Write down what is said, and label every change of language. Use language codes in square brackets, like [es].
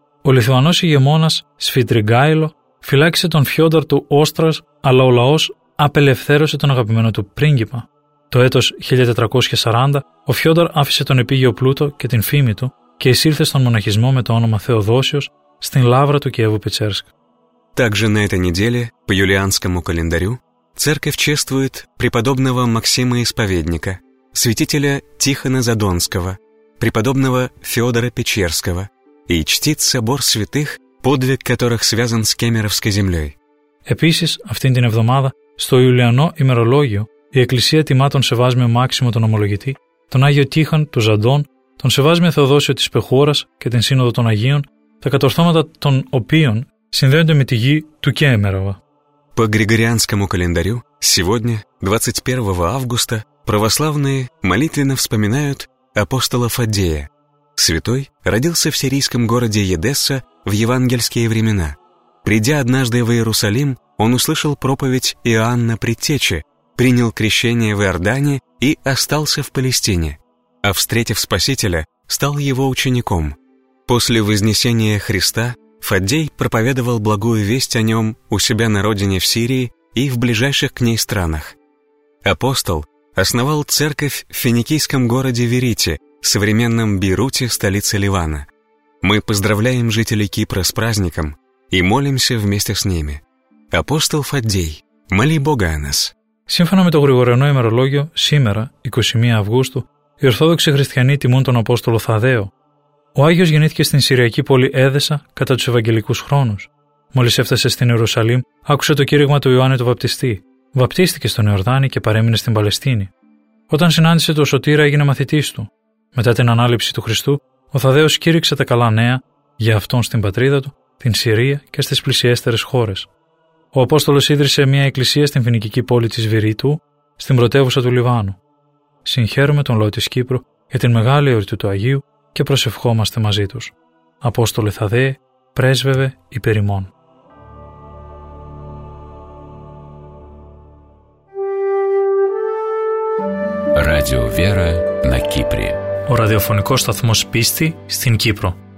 [el] Ο Λιθουανός ηγεμόνας Σφιντριγκάιλο φυλάκισε τον Φιόδωρ του Όστρας, αλλά ο λαός απελευθέρωσε τον αγαπημένο του πρίγκιπα. Το έτος 1440, ο Φιόδωρ άφησε τον επίγειο πλούτο και την φήμη του και εισήλθε στον μοναχισμό με το όνομα Θεοδόσιος στην λαύρα του Κιέβου-Πετσέρσκ. [ru] Также на этой неделе, по юлианскому календарю, церковь чествует преподобного Максима Исповедника, святителя Тихона Задонского, преподобного Феодора Печерского и чтит собор святых, подвиг которых связан с Кемеровской землей. [el] Επίσης, αυτήν την εβδομάδα, στο Ιουλιανό ημερολόγιο, η Εκκλησία τιμά τον Σεβάσμιο Μάξιμο τον Ομολογητή, τον Άγιο Τίχον του Ζαντών, τον Σεβάσμιο Θεοδόσιο της Πεχούρας και την Σύνοδο των Αγίων, τα κατορθώματα των οποίων συνδέονται με τη γη του Κέμερωβα. [ru] По Григорианскому календарю, сегодня, 21 августа, православные молитвенно вспоминают апостола Фаддея. Святой родился в сирийском городе Едесса в евангельские времена. Придя однажды в Иерусалим, он услышал проповедь Иоанна Предтечи, принял крещение в Иордане и остался в Палестине, а встретив Спасителя, стал его учеником. После Вознесения Христа Фаддей проповедовал благую весть о нем у себя на родине в Сирии и в ближайших к ней странах. Апостол основал церковь в финикийском городе Верите, современном Бейруте, столице Ливана. Мы поздравляем жителей Кипра с праздником и молимся вместе с ними. Апостол Фаддей, моли Бога о нас. [el] Σύμφωνα με το Γρηγοριανό ημερολόγιο, σήμερα, 21 Αυγούστου, οι Ορθόδοξοι Χριστιανοί τιμούν τον Απόστολο Θαδαίο. Ο Άγιος γεννήθηκε στην Συριακή πόλη Έδεσα κατά τους Ευαγγελικούς χρόνους. Μόλις έφτασε στην Ιερουσαλήμ, άκουσε το κήρυγμα του Ιωάννη του Βαπτιστή. Βαπτίστηκε στον Ιορδάνη και παρέμεινε στην Παλαιστίνη. Όταν συνάντησε τον Σωτήρα, έγινε μαθητής του. Μετά την ανάληψη του Χριστού, ο Θαδαίος κήρυξε τα καλά νέα για αυτόν στην πατρίδα του, την Συρία και στις πλησιέστερες χώρες. Ο Απόστολος ίδρυσε μια εκκλησία στην φοινικική πόλη της Βηρύτου, στην πρωτεύουσα του Λιβάνου. Συγχαίρουμε τον λαό της Κύπρου για την μεγάλη εορτή του Αγίου και προσευχόμαστε μαζί τους. Απόστολε Θαδαίε, πρέσβευε υπέρ ημών. [ru] Ράδιο Βέρα, на Кипре. [el] Ο ραδιοφωνικός σταθμός πίστη στην Κύπρο.